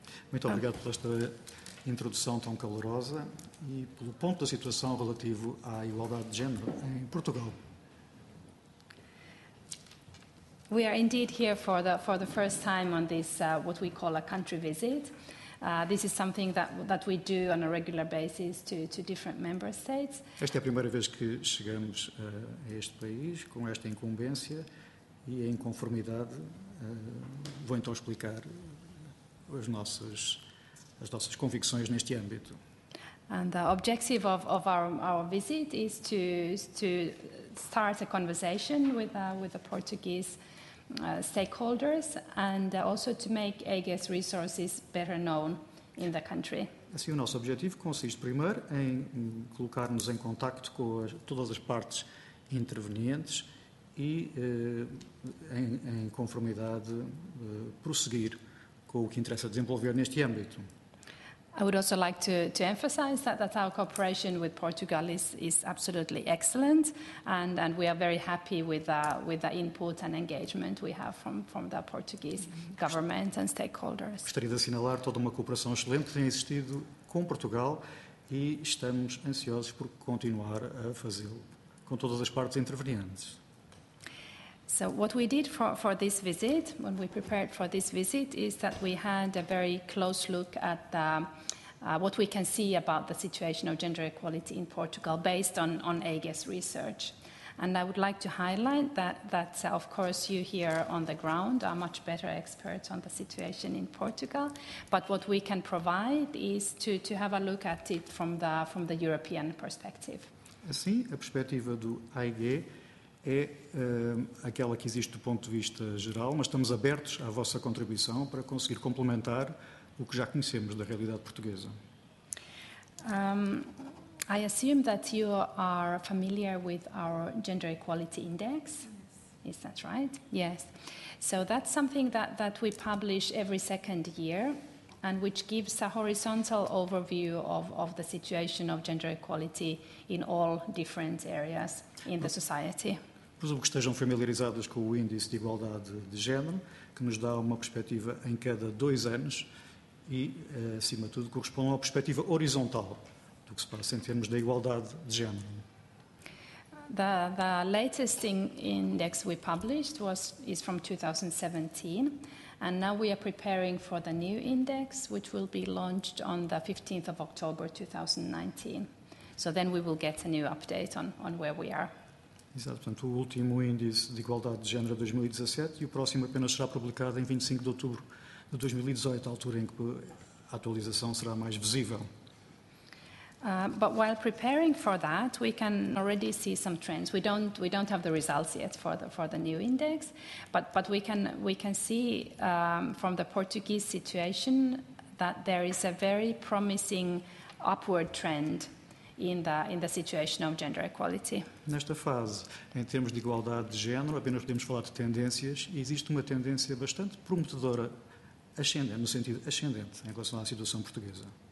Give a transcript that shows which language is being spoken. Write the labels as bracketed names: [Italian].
[Portuguese] Muito obrigado por esta introdução tão calorosa e pelo ponto da situação relativo à igualdade de género em Portugal. [English] We are indeed here for the first time on this what we call a country visit. This is something that we do on a regular basis to different member states. [Portuguese] Esta é a primeira vez que chegamos a este país com esta incumbência e em conformidade vou então explicar as nossas convicções neste âmbito. [English] And the objective of our visit is to start a conversation with the Portuguese stakeholders and also to make AGES resources better known in the country. [Portuguese] Assim, o nosso objetivo consiste primeiro em colocar-nos em contacto com todas as partes intervenientes e em conformidade prosseguir com o que interessa desenvolver neste âmbito. [English] I would also like to emphasize that our cooperation with Portugal is absolutely excellent and we are very happy with the input and engagement we have from the Portuguese government and stakeholders. [Portuguese] Gostaria de assinalar toda uma cooperação excelente que tem existido com Portugal e estamos ansiosos por continuar a fazê-lo com todas as partes intervenientes. [English] So what we did for this visit, when we prepared for this visit, is that we had a very close look at what we can see about the situation of gender equality in Portugal based on AGES research. And I would like to highlight that of course you here on the ground are much better experts on the situation in Portugal, but what we can provide is to have a look at it from the European perspective. [Portuguese] Assim, a perspectiva do AGES é aquela que existe do ponto de vista geral, mas estamos abertos à vossa contribuição para conseguir complementar o que já conhecemos da realidade portuguesa. [English] I assume that you are familiar with our Gender Equality Index. Is that right? Yes. So that's something that we publish every second year and which gives a horizontal overview of the situation of gender equality in all different areas in the society. [Portuguese] Presumo que estejam familiarizadas com o Índice de Igualdade de Género, que nos dá uma perspectiva em cada dois anos e, acima de tudo, corresponde a uma perspectiva horizontal do que se passa em termos da igualdade de género. [English] The latest index we published is from 2017, and now we are preparing for the new index, which will be launched on the 15th of October 2019. So then we will get a new update on where we are. [Portuguese] Exato, portanto, o último Índice de Igualdade de Género de 2017 e o próximo apenas será publicado em 25 de outubro de 2018, a altura em que a atualização será mais visível. [English] But while preparing for that, we can already see some trends. We don't have the results yet for the new index, but we can see from the Portuguese situation that there is a very promising upward trend in the situation of gender equality. [Portuguese] Nesta fase, em termos de igualdade de género, apenas podemos falar de tendências, e existe uma tendência bastante prometedora, ascendente, no sentido ascendente, em relação à situação portuguesa.